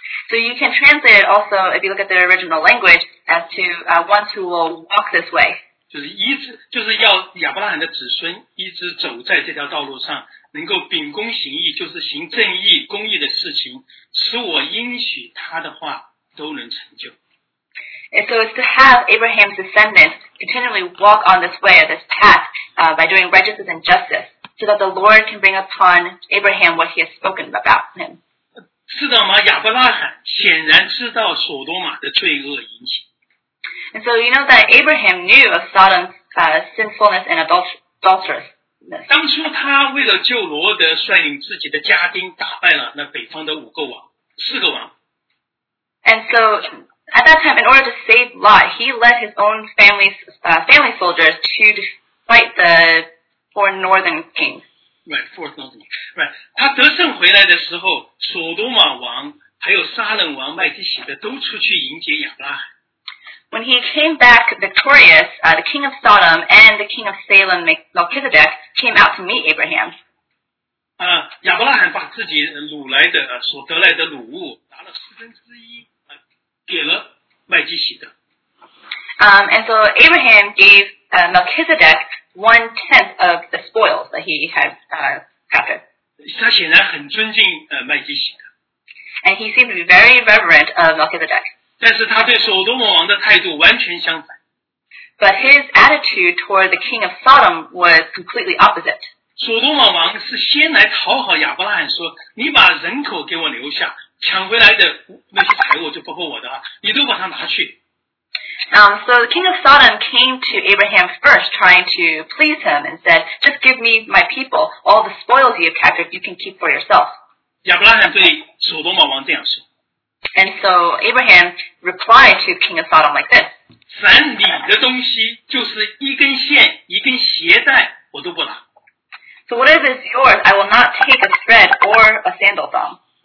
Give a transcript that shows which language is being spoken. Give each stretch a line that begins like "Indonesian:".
English: So you can translate it also if you look at the original language as to ones who will walk this way.
Chinese: 就是要亚伯拉罕的子孙一直走在这条道路上，能够秉公行义，就是行正义、公义的事情，使我应许他的话都能成就。
English: And so it's to have Abraham's descendants continually walk on this way, or this path, by doing righteousness and justice, so that the Lord can bring upon Abraham what he has spoken about him.
Chinese: 知道吗？亚伯拉罕显然知道索多玛的罪恶引起。
English: And so you know that Abraham knew of Sodom's sinfulness and adulterousness.
Chinese: 当初他为了救罗德，率领自己的家丁打败了那北方的五个王，四个王。
English: And so... At that time, in order to save Lot, he led his own family soldiers to fight the four northern kings. Right, four northern kings. Right.
Chinese: 他得胜回来的时候，索多玛王还有撒冷王麦基洗德都出去迎接亚伯拉罕。
English: When he came back victorious, the king of Sodom and the king of Salem, Melchizedek, came out to meet Abraham.
Chinese: 亚伯拉罕把自己掳来的所得来的掳物拿了四分之一。
English: And so Abraham gave Melchizedek one tenth of the spoils that he had captured.
Chinese: 他显然很尊敬麦基洗德。
English: And he seemed to be very reverent of Melchizedek.
Chinese: 但是他对索多摩王的态度完全相反。
English: But his attitude toward the king of Sodom was completely opposite.
Chinese: 索多摩王是先来讨好亚伯拉罕，说你把人口给我留下。抢回来的那些财物就包括我的啊，你都把它拿去。
English: So the king of Sodom came to Abraham first, trying to please him, and said, "Just give me my people, all the spoils you have captured, you can keep for yourself."
Chinese: 亚伯拉罕对索多玛王这样说。
English: And so Abraham replied to king of Sodom like this:
Chinese: 凡你的东西，就是一根线、一根鞋带，我都不拿。
English: So whatever is yours, I will not take a thread or a sandal thong.